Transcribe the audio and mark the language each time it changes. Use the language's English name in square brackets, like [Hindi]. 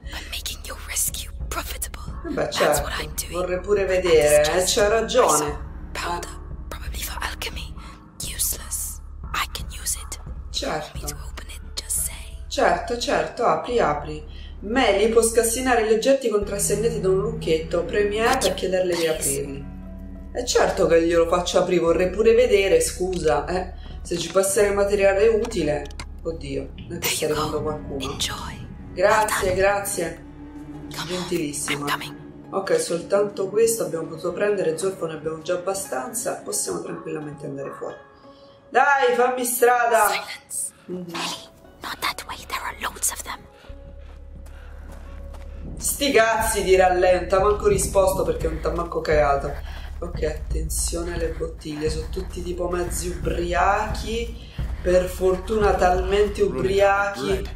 [English] I'm making your rescue profitable. [Italian] Beh, certo. Vorrei pure vedere, c'ha ragione. [English] Powder, probably for alchemy. Useless. I can use it. [Italian] Certo, apri. Mary può scassinare gli oggetti contrassegnati da un lucchetto. Premi A per chiederle di aprirli. È certo che glielo faccio aprire, vorrei pure vedere, scusa, se ci passerà materiale utile. Oddio, non è che sta arrivando qualcuno. [English] Enjoy. [Italian] Grazie. Gentilissima. Ok, soltanto questo abbiamo potuto prendere, zolfo ne abbiamo già abbastanza, possiamo tranquillamente andare fuori. Dai, fammi strada! [English] Not that way, there are loads of them. [Italian] Sti cazzi, di rallenta, manco risposto perché non t'ha manco cagato. Ok, attenzione alle bottiglie, sono tutti tipo mezzi ubriachi, per fortuna talmente ubriachi.